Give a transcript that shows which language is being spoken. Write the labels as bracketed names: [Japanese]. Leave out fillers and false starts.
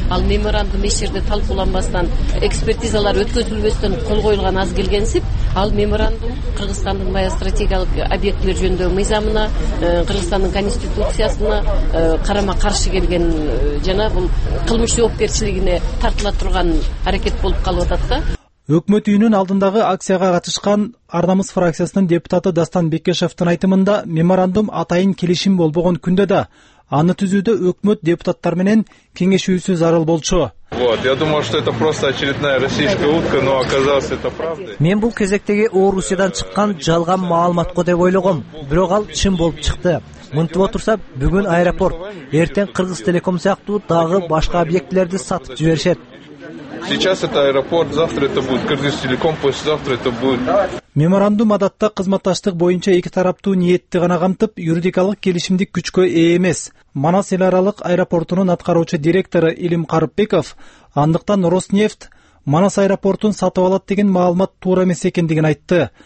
[Kyrgyz] Ал меморандум эч жерде талкууланбастан, экспертизалар өткөзүлбөстөн кол коюлган аз келгенсип, ал меморандум Кыргызстандын маек стратегиялык объектилер жөнүндөгү мыйзамына, Кыргызстандын конституциясына карама каршы келген жана бул кылмыш жоопкерчилигине тартыла турган аракет болуп калып атат да. Өкмөт үйүнүн алдындагы акцияга катышкан Арнамыз фракциясынын депутаты Дастан Бекешевтин айтымында меморандум атайын келишим болбогон күндө да аны түзүүдө өкмөт депутаттар менен кеңешүүсү зарыл болчу. [Russian] Вот, я думал, что это просто очередная российская утка, но оказалось это правдой. [Kyrgyz] Мен бул кезектеги Орусиядан чыккан жалган маалыматко деп ойлогом, бирок ал чын болуп чыкты. Мынтып отурсап, бүгүн аэропорт, эртең Кыргызтелеком сыяктуу дагы башка объектилерди сатып жиберишет. [Russian] Сейчас это аэропорт, завтра это будет Кыргызтелеком, послезавтра это будет. [Kyrgyz] Меморандум адатта кызматташтык боюнча эки тараптуу ниетти гана камтып, юридикалык келишимдик күчкө ээ эмес. Манас эл аралык аэропортунун аткаруучу директору Илим Карыпбеков андыктан Роснефть Манас аэропортун сатып алат деген маалымат туура эмес экендигин айтты.